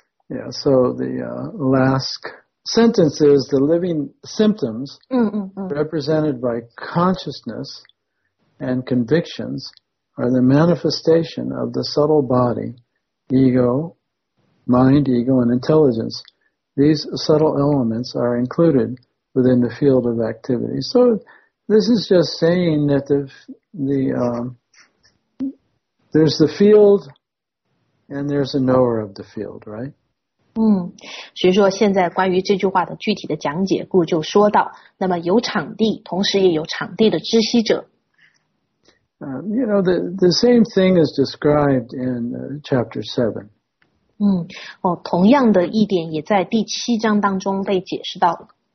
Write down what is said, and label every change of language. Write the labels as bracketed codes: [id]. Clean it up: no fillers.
[en] Yeah, so the last sentence is the living symptoms represented by consciousness and convictions are the manifestation of the subtle body, ego,mind, ego, and intelligence. These subtle elements are included within the field of activity. So this is just saying that there's the field and there's a knower of the field, right? [zh] 所以说现在关于这句话的具体的讲解，故就说到，那么有场地，同时也有场地的知悉者。 [en] You know, the same thing is described in chapter 7. [zh] 同样的一点也在第七章当中被解释到了。